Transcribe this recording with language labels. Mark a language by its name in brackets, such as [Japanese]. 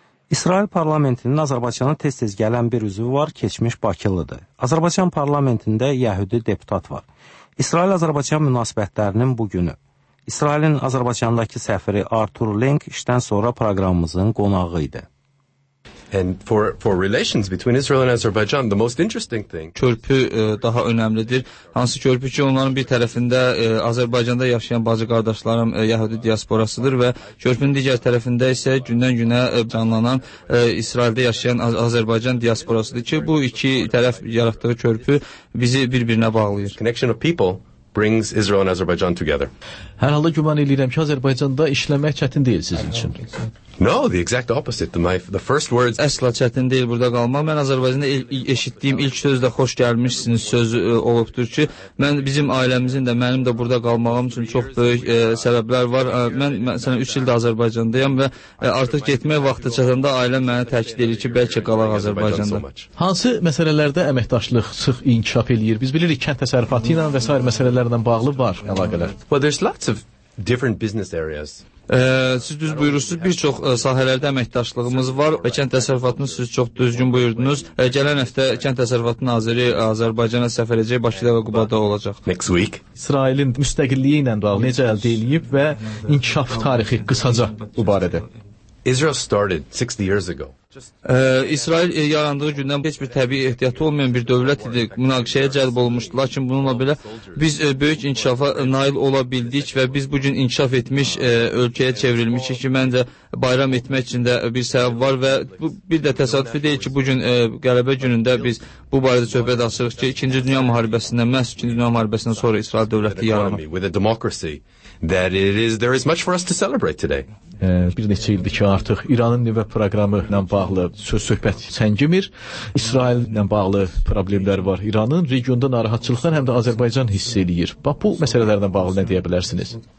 [Azerbaijani] İsrail parlamentinin Azərbaycana tez-tez gələn bir üzvü var, keçmiş Bakılıdır. Azərbaycan parlamentində yəhudi deputat var. İsrail-Azərbaycan münasibətlərinin bugünü. İsrailin Azərbaycandakı səfiri Artur Lenk işdən sonra proqramımızın qonağı idi. [English] And for relations between Israel and Azerbaijan, the most interesting thing. [Azerbaijani] Körpü daha önəmlidir. Hansı körpü ki, onların bir tərəfində Azərbaycanda yaşayan bacı qardaşlarım Yahudi diasporasıdır və körpünün digər tərəfində isə gündən günə canlanan İsraildə yaşayan Azərbaycan diasporasıdır ki, bu iki tərəf yaratdığı körpü bizi bir-birinə bağlayır. [English] Connection of people brings Israel and Azerbaijan together. [Azerbaijani] Hər halda güman edirəm ki, Azərbaycanda işləmək çətin deyil sizin üçün. [English] No, the exact opposite. The first words. [Azerbaijani] Əsla çətin deyil burada qalmaq. Mən Azərbaycanda eşitdiyim ilk sözdə xoş gəlmişsiniz sözü olubdur ki, mən bizim ailəmizin də mənim də burada qalmağım üçün çox böyük səbəblər var. Mən məsələn 3 ildir Azərbaycandayam və artıq getmək vaxtı çatanda ailəm mənə təkid edir ki, bəlkə qalaq Azərbaycanda. Hansı məsələlərdə əməkdaşlıq sıx inkişaf eləyir? Biz bilirik kənd təsərrüfatı ilə və s. məsələlərlə bağlı var əlaqələr. [English] Well, there's lots of different business areas. [Azerbaijani] Siz düz buyurursunuz, bir çox sahələrdə əməkdaşlığımız var və kənd təsərrüfatını siz çox düzgün buyurdunuz. Gələn həftə kənd təsərrüfatı naziri Azərbaycana səfər edəcək, Bakıda və Qubada olacaq. [English] Next week. [Azerbaijani] İsrailin müstəqilliyi ilə bağlı necə əldə eləyib və inkişaf tarixi qısaca bu barədə. [English] Israel started 60 years ago. [Azerbaijani] İsrail yarandığı gündən heç bir təbii ehtiyatı olmayan bir dövlət idi. Münaqişəyə cəlb olmuşdu. Lakin bununla belə biz böyük inkişafa nail ola bildik və biz bugün inkişaf etmiş ölkəyə çevrilmişik ki, məncə bayram etmək üçün də bir səbəb var və bu, bir də təsadüfi deyil ki, bugün qələbə günündə biz bu barədə söhbət açırıq ki, 2-ci Dünya Müharibəsindən, məhz 2-ci Dünya Müharibəsindən sonra İsrail dövləti yaranır. [English] That it is, there is much for us to celebrate today. [Azerbaijani] Bir neçə ildir ki, artıq İranın nüvə proqramı ilə bağlı söz-söhbət səngimir. İsrail ilə bağlı problemlər var. İranın regionda narahatçılıqdan həm də Azərbaycan hiss eləyir. Bax, bu məsələlərlə bağlı nə deyə bilərsiniz?